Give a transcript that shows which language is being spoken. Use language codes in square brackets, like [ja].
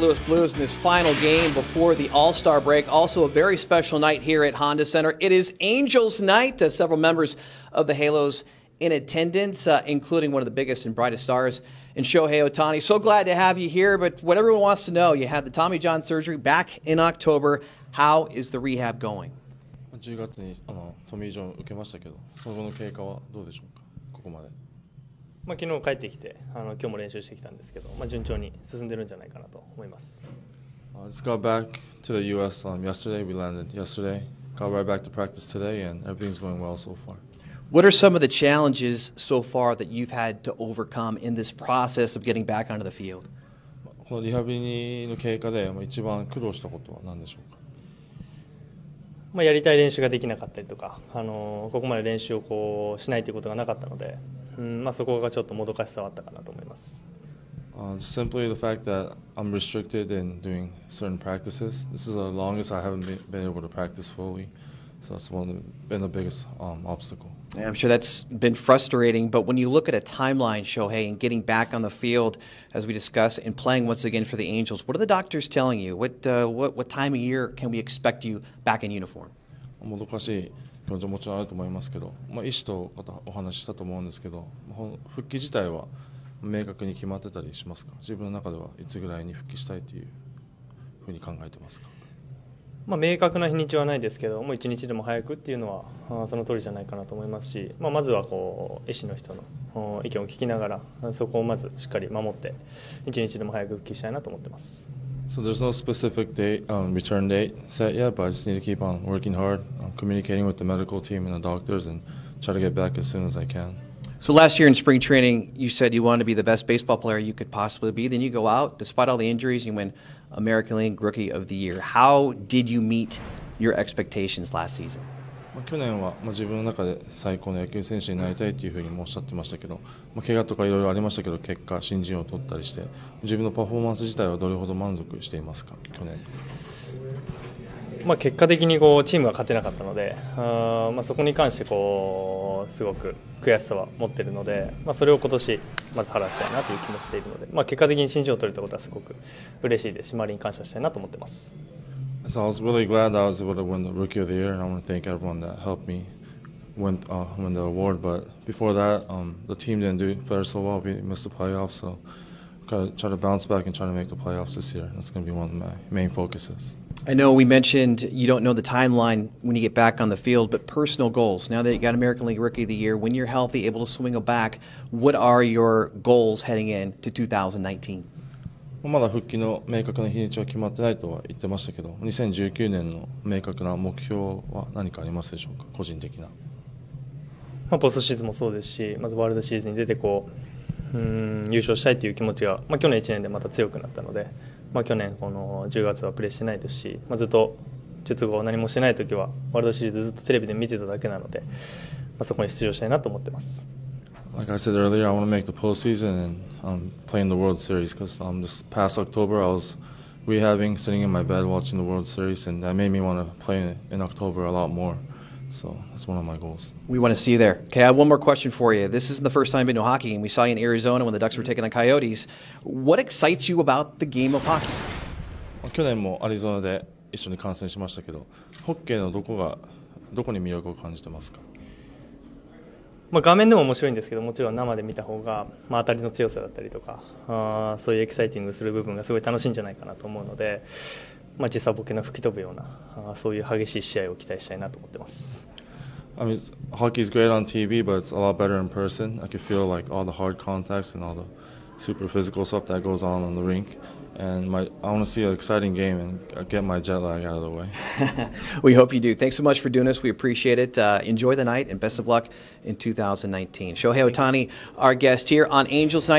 [en] Louis Blues in this final game before the All-Star break, also a very special night here at Honda Center. It is Angels night. Several members of the Halos in attendance, including one of the biggest and brightest stars in Shohei Ohtani. So glad to have you here. But what everyone wants to know, you had the Tommy John surgery back in October. How is the rehab going? [ja] 10月にトミー・ジョン受けましたけど、その後の経過はどうでしょうか、ここまで。まあ、昨日帰ってきて、今日も練習してきたんですけど、まあ、順調に進んでるんじゃないかなと思います。 [en] I just got back to the US yesterday. We landed yesterday. Got right back to practice today, and everything's going well so far. What are some of the challenges so far that you've had to overcome in this process of getting back onto the field? [ja] このリハビリの経過で一番苦労したことは何でしょうか。まあ、やりたい練習ができなかったりとか、ここまで練習をこうしないということがなかったので、まあ、そこがちょっともどかしさはあったかなと思います。 [en] Simply the fact that I'm restricted in doing certain practices. This is the longest I haven't been able to practice fully. So that's been the biggest obstacle. Yeah, I'm sure that's been frustrating, but when you look at a timeline, Shohei, and getting back on the field, as we discuss, and playing once again for the Angels, what are the doctors telling you? What time of year can we expect you back in uniform? [ja] もどかしい気持ちももちろんあると思いますけど、まあ、医師とお話したと思うんですけど、復帰自体は明確に決まってたりしますか？自分の中ではいつぐらいに復帰したいというふうに考えてますか？まあ、明確な日にちはないですけど、もう一日でも早くっていうのはその通りじゃないかなと思いますし、まあ、まずはこう医師の人の意見を聞きながら、そこをまずしっかり守って、一日でも早く復帰したいなと思ってます。 [en] So there's no specific date, return date set yet, but I just need to keep on working hard, communicating with the medical team and the doctors, and try to get back as soon as I can. So last year in spring training, you said you wanted to be the best baseball player you could possibly be. Then you go out, despite all the injuries, you win American League Rookie of the Year. How did you meet your expectations last season? [ja] 去年は自分の中で最高の野球選手になりたいというふうにおっしゃってましたけど、怪我とかいろいろありましたけど、結果新人を取ったりして、自分のパフォーマンス自体はどれほど満足していますか、去年。まあ、結果的にこうチームは勝てなかったので、まあそこに関してこうすごく悔しさは持っているので、まあそれを今年まず晴らしたいなという気持ちでいるので、まあ結果的に新人を取れたことはすごく嬉しいですし、周りに感謝したいなと思っています。 [en] So I was really glad that I was able to win the Rookie of the Year, and I want to thank everyone that helped me win the award. But before that, the team didn't do fair so well. We missed the playoffs, so got to try to bounce back and try to make the playoffs this year. That's going to be one of my main focuses. I know we mentioned you don't know the timeline when you get back on the field, but personal goals. Now that you got American League Rookie of the Year, when you're healthy, able to swing a bat, what are your goals heading in to 2019? [ja] まだ復帰の明確な日にちは決まってないとは言ってましたけど、2019年の明確な目標は何かありますでしょうか、個人的な。まあ、ポストシーズンもそうですし、まずワールドシーズンに出てこう、優勝したいという気持ちが、まあ、去年1年でまた強くなったので、まあ、去年この10月はプレーしてないですし、まあ、ずっと術後何もしてないときはワールドシリーズずっとテレビで見てただけなので、まあ、そこに出場したいなと思ってます。 [en] Like I said earlier, I want to make the postseason and play in the World Series, because this past October I was rehabbing, sitting in my bed watching the World Series, and that made me want to play in October a lot more. So that's one of my goals. We want to see you there. Okay, I have one more question for you. This isn't the first time you've been to hockey, and we saw you in Arizona when the Ducks were taking the Coyotes. What excites you about the game of hockey? [ja] 去年もアリゾナで一緒に観戦しましたけど、ホッケーのどこに魅力を感じてますか？まあ、画面でも面白いんですけど、もちろん生で見た方が、まあ、当たりの強さだったりとか、そういうエキサイティングする部分がすごい楽しいんじゃないかなと思うので、まあ、時差ボケの吹き飛ぶようなそういう激しい試合を期待したいなと思ってます。 [en] I mean, hockey is great on TV, but it's a lot better in person. I can feel like all the hard contacts and all the super physical stuff that goes on the rink. And I want to see an exciting game and get my jet lag out of the way. We hope you do. Thanks so much for doing this. We appreciate it. Enjoy the night and best of luck in 2019. Shohei Ohtani, our guest here on Angels Night.